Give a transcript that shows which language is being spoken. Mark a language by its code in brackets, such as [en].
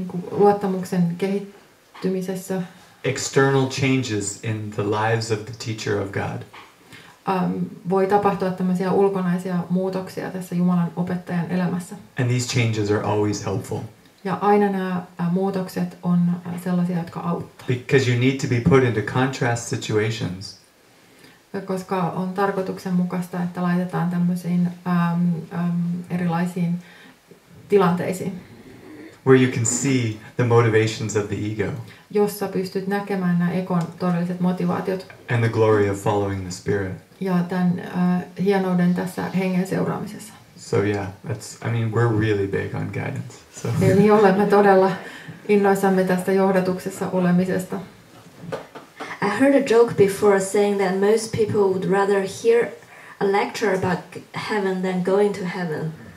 [fi] Luottamuksen kehittymisessä. [en] External changes in the lives of the teacher of God. [fi] Voi tapahtua tämmöisiä ulkonaisia muutoksia tässä Jumalan opettajan elämässä. [en] And these changes are always helpful. [fi] Ja aina nämä muutokset on sellaisia, jotka auttaa. [en] Because you need to be put into contrast situations. [fi] Koska on tarkoituksenmukaista, että laitetaan tämmöisiin erilaisiin tilanteisiin. [en] Where you can see the motivations of the ego. [fi] Jossa pystyt näkemään nämä ekon todelliset motivaatiot. [en] And the glory of following the spirit. [fi] Ja tämän hienouden tässä hengen seuraamisessa. [en] So yeah, we're really big on guidance. So. [fi] Eli olemme todella innoissamme tästä johdatuksessa olemisesta. [en] I heard a joke before saying that most people would rather hear a lecture about heaven than going to heaven.